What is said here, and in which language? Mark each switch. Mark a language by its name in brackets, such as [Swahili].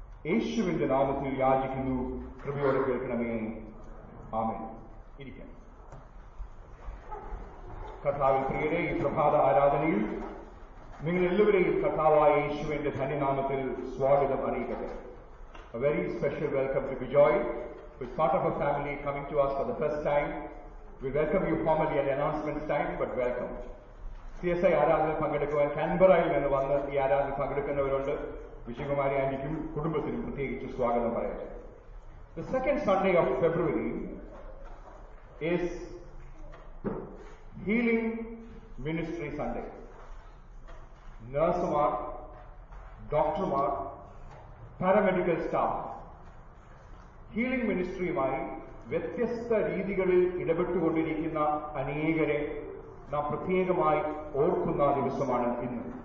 [Malayalam] യേശുവിന്റെ നാമത്തിൽ യാചിക്കുന്നു, കൃപയോടെ കേൾക്കണമേ. ആമേൻ. ഇരിക്കാം. കർത്താവിൽ പ്രിയരെ, ഈ പ്രഭാത ആരാധനയിൽ നിങ്ങളെല്ലാവരെയും കർത്താവായ യേശുവിന്റെ ധന്യനാമത്തിൽ സ്വാഗതം അറിയിക്കട്ടെ. [English] A very special welcome to Bijoy, with part of a family coming to us for the first time. We welcome you formally at announcements time, but welcome. [Malayalam] CSI ആരാധന പങ്കെടുക്കുവാൻ കാൻബറയിൽ നിന്ന് വന്ന് ഈ ആരാധന പങ്കെടുക്കുന്നവരുണ്ട്. വിശ്വകുമാരി ആന്റിക്കും കുടുംബത്തിനും പ്രത്യേകിച്ച് സ്വാഗതം പറയട്ടെ. [English] The second Sunday of February is Healing Ministry Sunday. [Malayalam] നഴ്സുമാർ, ഡോക്ടർമാർ, പാരാമെഡിക്കൽ സ്റ്റാഫ് ഹീലിംഗ് മിനിസ്ട്രിയുമായി വ്യത്യസ്ത രീതികളിൽ ഇടപെട്ടുകൊണ്ടിരിക്കുന്ന അനേകരെ നാം പ്രത്യേകമായി ഓർക്കുന്ന ദിവസമാണ് ഇന്ന്.